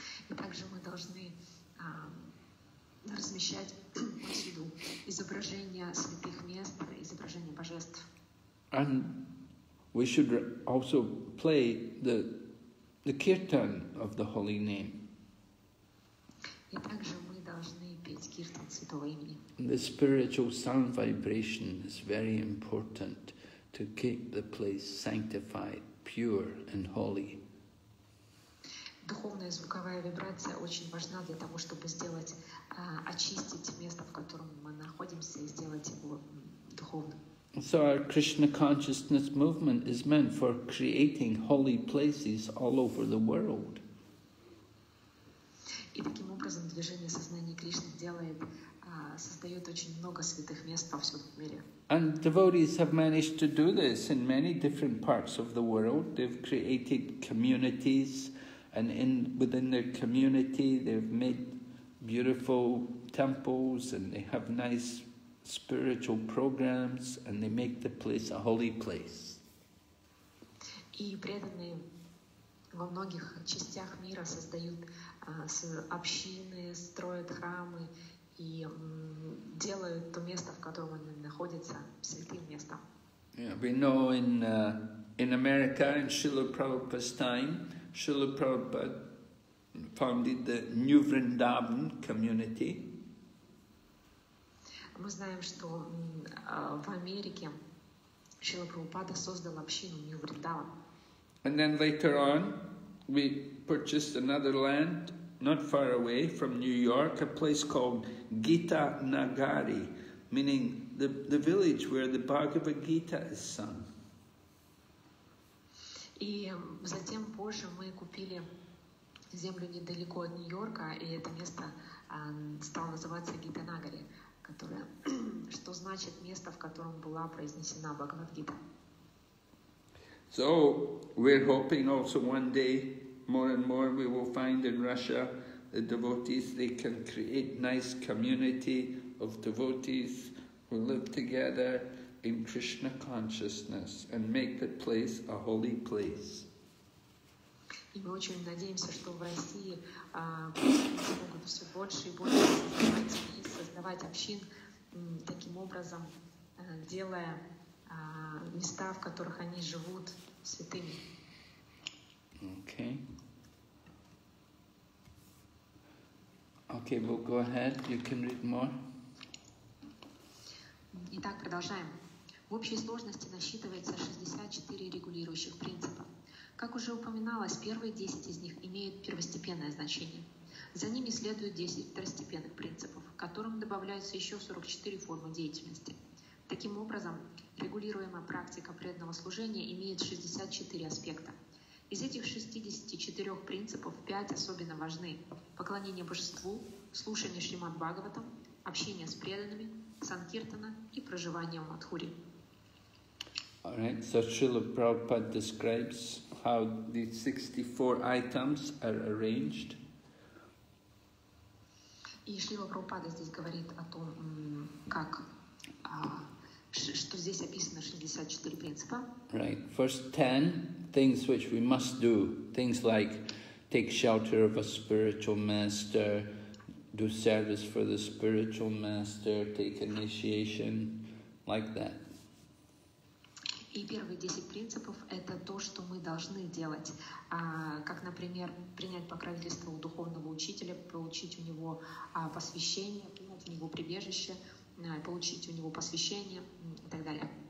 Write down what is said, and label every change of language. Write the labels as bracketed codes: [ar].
[ru] И также мы должны размещать повсюду изображения святых мест, изображения божеств. [en] And we should also play the kirtan of the holy name. [ru] И также мы должны петь киртан святого имени. [en] The spiritual sound vibration is very important to keep the place sanctified, pure and holy. [ru] Духовная звуковая вибрация очень важна для того, чтобы сделать, очистить место, в котором мы находимся, и сделать его духовным. [en] So our Krishna consciousness movement is meant for creating holy places all over the world. [ru] И таким образом движение сознания Кришны делает, создает очень много святых мест по всему миру. [en] And devotees have managed to do this in many different parts of the world. They've created communities, and within their community they've made beautiful temples, and they have nice spiritual programs, and they make the place a holy place. [ru] И преданные во многих частях мира создают общины, строят храмы и делают то место, в котором они находятся, святым местом. [en] Yeah, we know in America, in Srila Prabhupada's time, Srila Prabhupada founded the New Vrindavan community. [ru] Мы знаем, что в Америке Шрила Прабхупада создал общину New Vrindavan. [en] And then later on, we purchased another land not far away from New York, a place called Gita Nagari, meaning the village where the Bhagavad Gita is sung. [ru] И затем позже мы купили землю недалеко от Нью-Йорка, и это место стало называться Гита Нагари, которое что значит место, в котором была произнесена Бхагавад Гита. [en] So we're hoping also one day more and more we will find in Russia the devotees, they can create nice community of devotees who live together in Krishna consciousness and make the place a holy place. [ru] И мы очень надеемся, что в России могут все больше и больше создавать общин, таким образом делая места, в которых они живут, святыми. [en] Okay. Okay, we'll go ahead. You can read more. [ru] Итак, продолжаем. В общей сложности насчитывается 64 регулирующих принципа. Как уже упоминалось, первые 10 из них имеют первостепенное значение. За ними следуют 10 второстепенных принципов, к которым добавляются еще 44 формы деятельности. Таким образом, регулируемая практика преданного служения имеет 64 аспекта. Из этих 64 принципов 5 особенно важны – поклонение божеству, слушание Шримад Бхагаватам, общение с преданными, санкиртана и проживание в Мадхуре. [en] All right, so Srila Prabhupada describes how these 64 items are arranged. [ru] И Шрила Прабхупада здесь говорит о том, как, что здесь описано 64 принципа. [en] Right, first 10 things which we must do, things like take shelter of a spiritual master, do service for the spiritual master, take initiation, like that. [ru] И первые 10 принципов – это то, что мы должны делать, как, например, принять покровительство у духовного учителя, получить у него посвящение, принять у него прибежище, получить у него посвящение и так далее.